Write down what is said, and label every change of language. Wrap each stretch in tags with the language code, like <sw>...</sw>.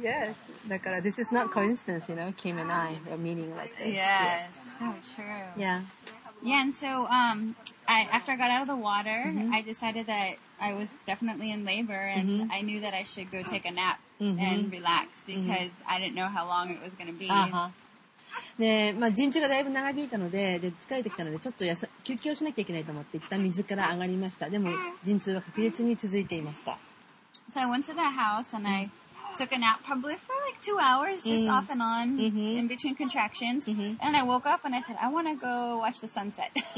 <en>Yes. Like, this is not coincidence, you know, Kim and I are meeting like this. Yeah, yeah. So true. Yeah. Yeah, and so after I got out of the water, mm-hmm. I decided that I was definitely in labor and mm-hmm. I knew that I should go take a nap mm-hmm. and relax because mm-hmm. I didn't know how long it was going to be. Uh-huh.</en> <ja>で、まあ、陣痛がだいぶ長引いたので、で、疲れてきたので、ちょっと休憩をしなきゃいけないと思って、一旦水から上がりました。でも、陣痛は確実に続いていました。</ja> <en>So I went to that house and I took a nap probably for like 2 hours, just off and on, in between contractions. And I woke up and I said, I want to go watch the sunset.</en>